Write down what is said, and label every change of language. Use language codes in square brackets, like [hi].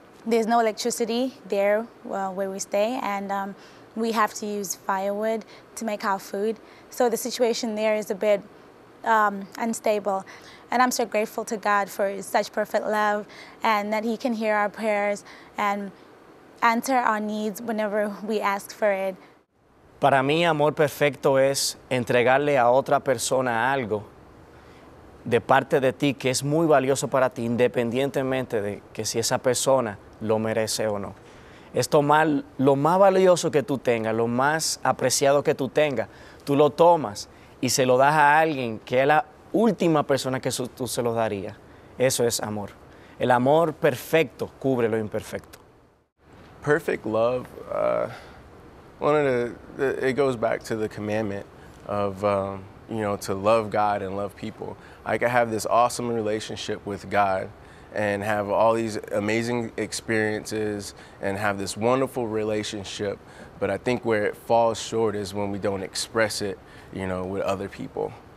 [en] There's no electricity there where we stay, and we have to use firewood to make our food. So the situation there is a bit unstable. And I'm so grateful to God for such perfect love and that he can hear our prayers and answer our needs whenever we ask for it. [es] Para mí, amor perfecto es entregarle a otra persona algo de parte de ti que es muy valioso para ti, independientemente de que si esa persona lo merece o no. Es tomar lo más valioso que tú tengas, lo más apreciado que tú tengas, tú lo tomas y se lo das a alguien que es la última persona que tú se lo darías. Eso es amor. El amor perfecto cubre lo imperfecto. [en] Perfect love, it goes back to the commandment of, you know, to love God and love people. I could have this awesome relationship with God and have all these amazing experiences and have this wonderful relationship, but I think where it falls short is when we don't express it, you know, with other people.